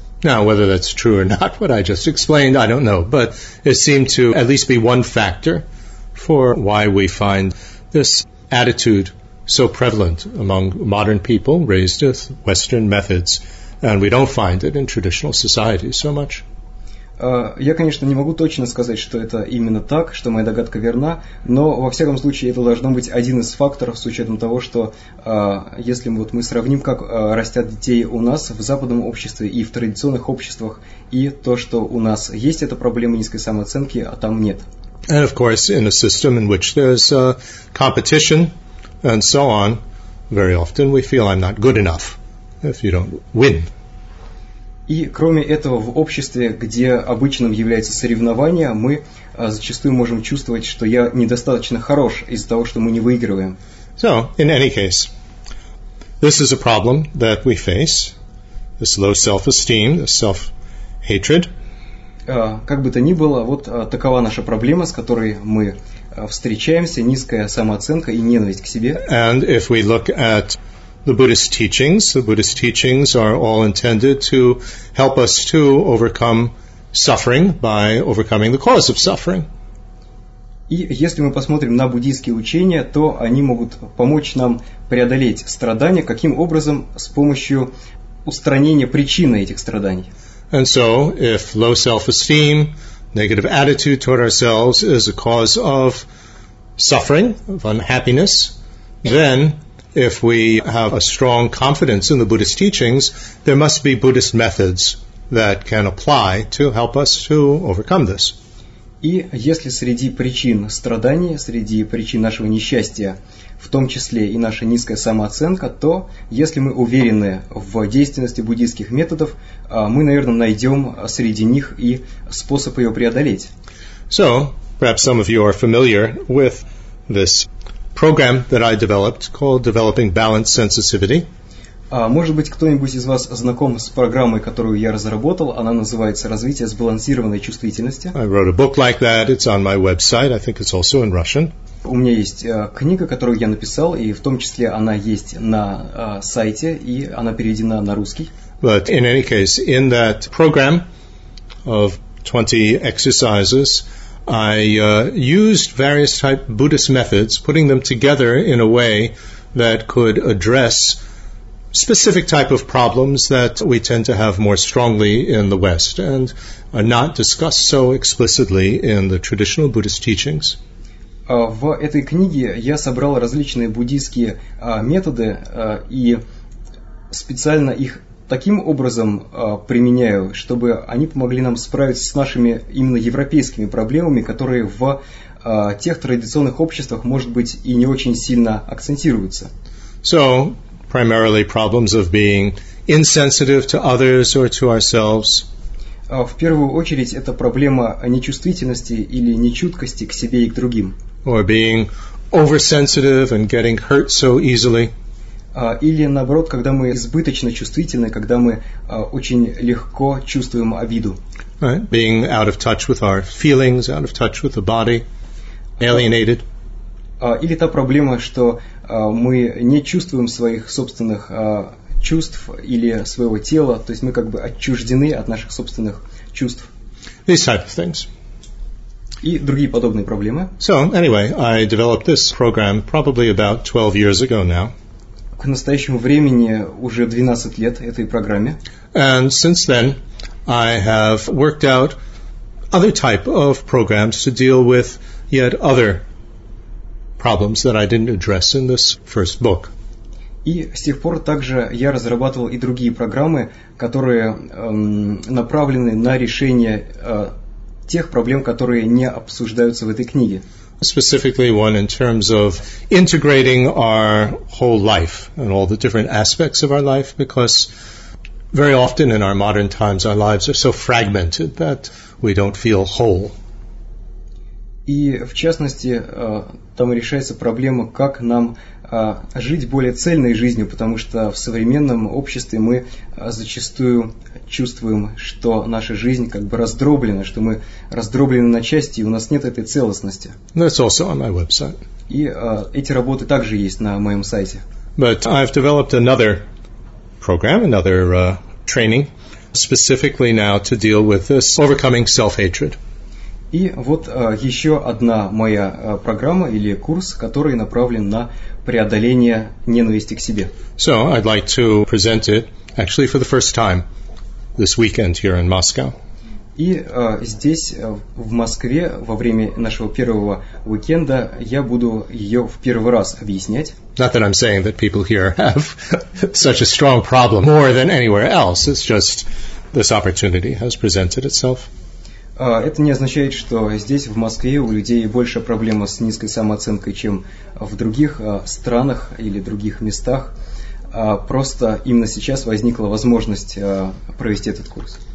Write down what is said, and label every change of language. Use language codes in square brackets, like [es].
[en] Now, whether that's true or not, what I just explained, I don't know, but it seemed to at least be one factor for why we find this attitude so prevalent among modern people raised with Western methods, and we don't find it in traditional societies so much. [ru] Я, конечно, не могу точно сказать, что это именно так, что моя догадка верна, но, во всяком случае, это должно быть один из факторов с учетом того, что если вот мы сравним, как растят детей у нас в западном обществе и в традиционных обществах, и то, что у нас есть эта проблема низкой самооценки, а там нет. [en] And, of course, in a system in which there's competition and so on, very often we feel I'm not good enough if you don't win. [ru] И кроме этого, в обществе, где обычным является соревнование, мы зачастую можем чувствовать, что я недостаточно хорош из-за того, что мы не выигрываем. [en] So, in any case, this is a problem that we face, this low self-esteem, this self-hatred. [ru] Как бы то ни было, вот такова наша проблема, с которой мы встречаемся, низкая самооценка и ненависть к себе. [en] And if we look at the Buddhist teachings are all intended to help us to overcome suffering by overcoming the cause of suffering. [ru] И если мы посмотрим на буддийские учения, то они могут помочь нам преодолеть страдания. Каким образом? С помощью устранения причины этих страданий. [en] And so, if low self-esteem, negative attitude toward ourselves is a cause of suffering, of unhappiness, then if we have a strong confidence in the Buddhist teachings, there must be Buddhist methods that can apply to help us to overcome this. [ru] И если среди причин страданий, среди причин нашего несчастья, в том числе и наша низкая самооценка, то если мы уверены в действенности буддийских методов, мы, наверное, найдем среди них и способ ее преодолеть. [en] So, perhaps some of you are familiar with this program that I developed called Developing Balance Sensitivity. [ru] Может быть, кто-нибудь из вас знаком с программой, которую я разработал? Она называется «Развитие сбалансированной чувствительности». [en] I wrote a book like that. It's on my website. I think it's also in Russian. [ru] У меня есть книга, которую я написал, и в том числе она есть на сайте, и она переведена на русский. [en] But in any case, in that program of 20 exercises, I used various type Buddhist methods, putting them together in a way that could address specific type of problems that we tend to have more strongly in the West and are not discussed so explicitly in the traditional Buddhist teachings. [ru] В этой книге я собрал различные буддийские методы и специально их таким образом применяю, чтобы они помогли нам справиться с нашими именно европейскими проблемами, которые в тех традиционных обществах, может быть, и не очень сильно акцентируются. [en] So, primarily problems of being insensitive to others or to ourselves. [ru] В первую очередь, это проблема нечувствительности или нечуткости к себе и к другим. [en] Or being oversensitive and getting hurt so easily. [ru] Или наоборот, когда мы избыточно чувствительны, когда мы очень легко чувствуем обиду. [en] Right. Being out of touch with our feelings, out of touch with the body, alienated. [ru] Или та проблема, что мы не чувствуем своих собственных чувств или своего тела, то есть мы как бы отчуждены от наших собственных чувств. [en] These type of things. [ru] И другие подобные проблемы. [en] So, anyway, I developed this program probably about 12 years ago now. [ru] К настоящему времени уже 12 лет этой программе. [en] And since then, I have worked out other type of programs to deal with yet other problems that I didn't address in this first book. [ru] И с тех пор также я разрабатывал и другие программы, которые направлены на решение тех проблем, которые не обсуждаются в этой книге. [en] Specifically one in terms of integrating our whole life and all the different aspects of our life, because very often in our modern times our lives are so fragmented that we don't feel whole. [ru] И в частности, там решается проблема, как нам жить более цельной жизнью, потому что в современном обществе мы зачастую чувствуем, что наша жизнь как бы раздроблена, что мы раздроблены на части, и у нас нет этой целостности. [en] That's also on my website. [ru] И эти работы также есть на моем сайте. [en] But I've developed another program, another training, specifically now to deal with this overcoming self-hatred. [ru] И вот еще одна моя программа или курс, который направлен на преодоление ненависти к себе. [en] So, I'd like to present it actually for the first time this weekend here in Moscow. [ru] И здесь, в Москве, во время нашего первого уикенда, я буду ее в первый раз объяснять. [en] Not that I'm saying that people here have such a strong problem more than anywhere else. It's just this opportunity has presented itself. [ru] Это не означает, что здесь, в Москве, у людей больше проблема с низкой самооценкой, чем в других странах или других местах. Просто именно сейчас возникла возможность провести этот курс.